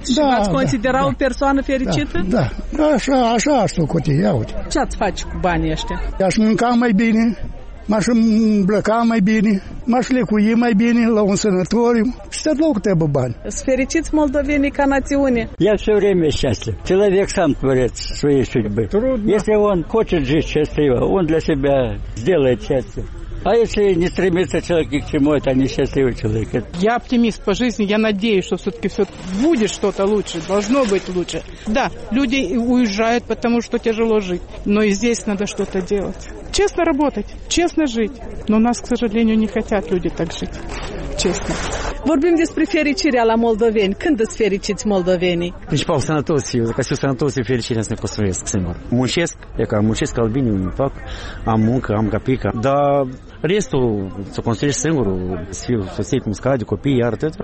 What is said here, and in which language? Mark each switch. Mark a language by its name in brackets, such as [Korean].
[Romanian] Și da, ați considera o persoană fericită? Da, așa aș socoti, ia uite. Ce ați face cu banii ăștia? Aș mânca mai bine, m-aș îmbrăca mai bine, m-aș lecui mai bine la un sănătoriu și tot loc trebuie bani. Sunt fericiți moldovenii ca națiune. [Russian] Я все время счастлив. Человек сам творит своей судьбы. Трудно. Если он хочет жить счастливо, он для себя сделает счастье. А если не стремиться человек к чему, это несчастливый человек. Я оптимист по жизни, я надеюсь, что все-таки все будет что-то лучше, должно быть лучше. Да, люди уезжают, потому что тяжело жить, но и здесь надо что-то делать. Честно работать, честно жить. Но у нас, к сожалению, не хотят люди так жить. Честно. [Romanian] Vorbim despre fericirea la moldoveni. Când îți fericiți moldovenii? Principal, sănătos. Eu zic că sunt sănătos, e fericirea să ne construiesc singur. Muncesc, e ca muncesc albini, îmi fac, am muncă, am capica, dar restul să construiești singur, să fiu soției cum scade, copii, iar atât.